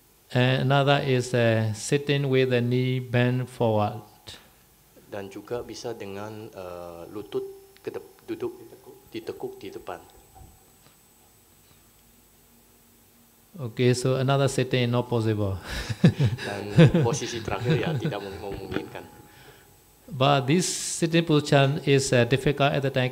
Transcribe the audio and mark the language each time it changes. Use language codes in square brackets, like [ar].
[en] Another is sitting with the knee bent forward. [id] Dan juga bisa dengan lutut duduk ditekuk di depan. [en] Okay, so another sitting not possible. [id] Dan posisi terakhir ya tidak memungkinkan. [en] But this sitting position is difficult at the time.